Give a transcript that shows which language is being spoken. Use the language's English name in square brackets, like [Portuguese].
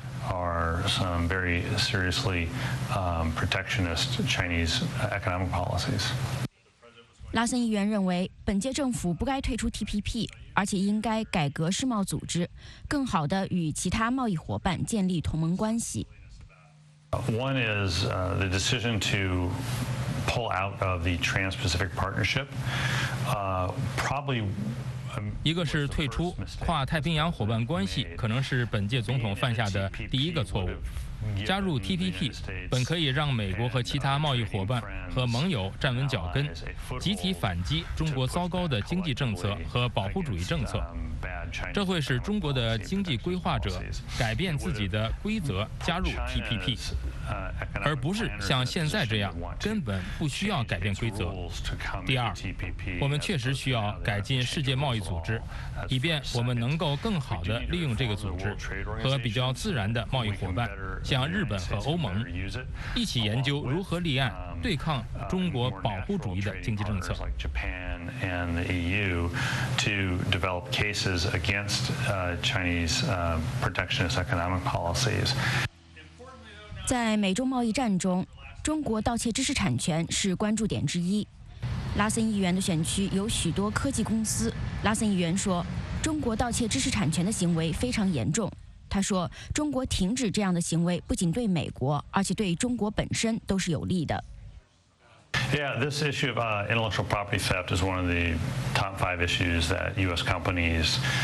[English] Are some very seriously protectionist Chinese economic policies. [Chinese] 拉森议员认为，本届政府不该退出 TPP， 而且应该改革世贸组织，更好地与其他贸易伙伴建立同盟关系。 [English] One is the decision to pull out of the Trans-Pacific Partnership. Probably. [Chinese] 一个是退出跨太平洋伙伴关系，可能是本届总统犯下的第一个错误。加入 TPP 本可以让美国和其他贸易伙伴和盟友站稳脚跟，集体反击中国糟糕的经济政策和保护主义政策，这会使中国的经济规划者改变自己的规则加入 TPP， 而不是像现在这样根本不需要改变规则。第二，我们确实需要改进世界贸易组织，以便我们能够更好地利用这个组织和比较自然的贸易伙伴，像日本和欧盟一起研究如何立案对抗中国保护主义的经济政策。 [English] Japan and the EU to develop cases against Chinese protectionist economic policies. [Chinese] 在美中贸易战中，中国盗窃知识产权是关注点之一。拉森议员的选区有许多科技公司。拉森议员说，中国盗窃知识产权的行为非常严重。他说，中国停止这样的行为不仅对美国，而且对中国本身都是有利的。 Yeah, this issue of intellectual property theft is one of the top five issues that U.S. companies